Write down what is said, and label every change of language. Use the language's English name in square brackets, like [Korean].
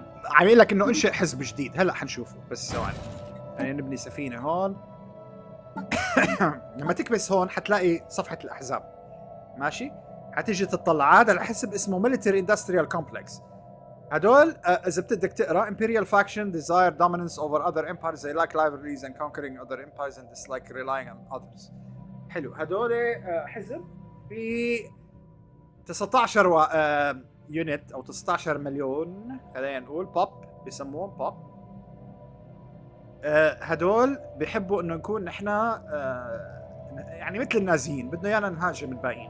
[Arabic] عميل لك إنه إنشئ حزب جديد. هلأ حنشوفه. بس سواني. يعني نبني سفينة هون. لما تكبس هون حتلاقي صفحة الأحزاب. ماشي؟ حتيجي تطلع هذا الحزب اسمه Military Industrial Complex. هدول إذا بدك تقرأ [English] Imperial Faction Desire Dominance Over Other Empires They Like Rivalries and Conquering Other Empires and Dislike Relying on Others. [Arabic] حلو. هدول حزب في 19 يونت أو 19 مليون خلينا نقول بوب بيسموهم بوب. هدول بيحبوا إنه نكون نحنا يعني مثل النازيين بدنا يانا نهاجم الباقيين.